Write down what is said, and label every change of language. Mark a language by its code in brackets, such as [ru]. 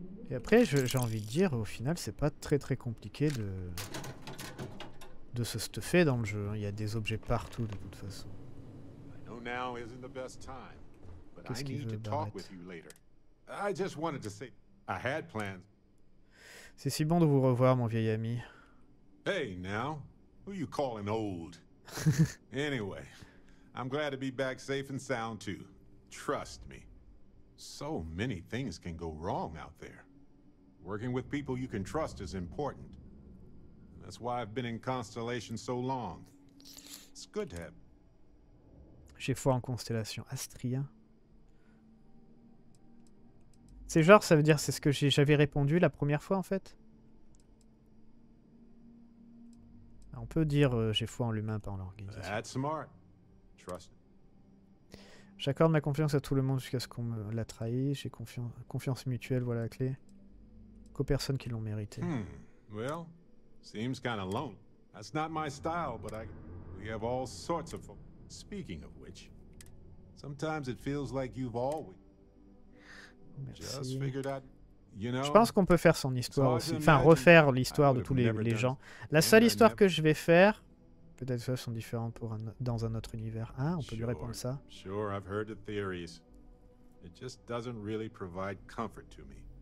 [fr] Et après, j'ai envie de dire, au final, c'est pas très très compliqué de se stuffer dans le jeu. Il y a des objets partout de toute façon. Qu'est-ce qu'il veut, Barrett? C'est si bon de vous revoir, mon vieil ami. [en] Hey, now, who you calling old? Anyway, I'm glad to be back safe and sound too. Trust me. So many things can go wrong out there. Working with people you can trust is important. That's why I've been in Constellation so long. It's good to have. [fr] J'ai foi en Constellation. Astrien. C'est genre, ça veut dire, c'est ce que j'avais répondu la première fois, en fait. On peut dire j'ai foi en l'humain, pas en l'organisation. [en] That's smart. Trust. [fr] J'accorde ma confiance à tout le monde jusqu'à ce qu'on me la trahisse. J'ai confiance mutuelle, voilà la clé. Qu'aux personnes qui l'ont mérité. [en] Well. Seems kind of lonely. That's not my style, but we have all sorts of. Speaking of which, sometimes it feels like you've always. Just figured out. You know. [fr] Je pense qu'on peut faire son histoire aussi, enfin refaire l'histoire de tous les gens. La seule histoire que je vais faire, peut-être que ce sont différents pour dans un autre univers. Hein, on peut lui répondre ça. [en] Sure, I've heard the theories. It just doesn't really provide comfort to me.